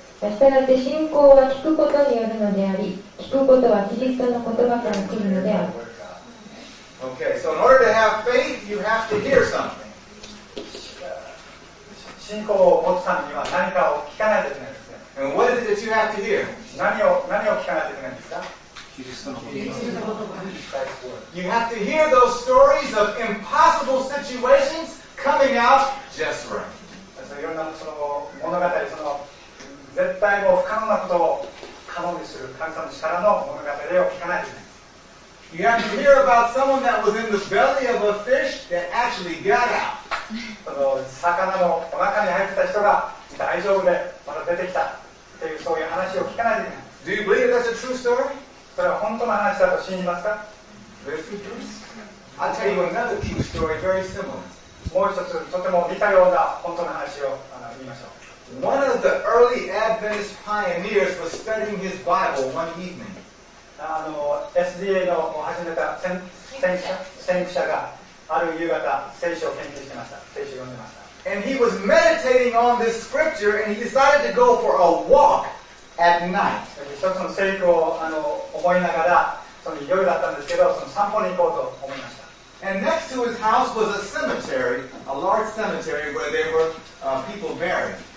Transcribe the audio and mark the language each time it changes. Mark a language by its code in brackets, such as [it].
[ja] したがって信仰は聞くことによるのであり、聞くことはキリストの言葉から来るのである。 [en] Okay, so in order to have faith, you have to hear something. [ja] 信仰を持つためには何かを聞かないといけないですね。 [en] And what is it that you have to hear? [ja] 何を聞かないといけないですか。 [en] You have to hear those stories of impossible situations coming out just right. [ja] いろんなその物語、その絶対も不可能なことを可能にする神様の力の物語を聞かないで。 [en] You have to hear about someone that was in the belly of a fish that actually got out. [ja] その魚のお腹に入ってた人が大丈夫でまた出てきたっていうそういう話を聞かないで。 [en] Do you believe that's a true story? [ja] それは本当の話だと信じますか。 [en] I'll tell you another true story, very similar. [ja] もう一つとても似たような本当の話を言いましょう。 [en] One of the early Adventist pioneers was studying his Bible one evening. [ja] SDA の始めた先駆者がある夕方聖書を研究してました。聖書を読んでました。 [en] And he was meditating on this scripture and he decided to go for a walk. At night. [ja] 一つの聖句を思いながらその夜だったんですけど、その散歩に行こうと思いました。 [en] And next to his house was a cemetery, a large cemetery where there were people buried.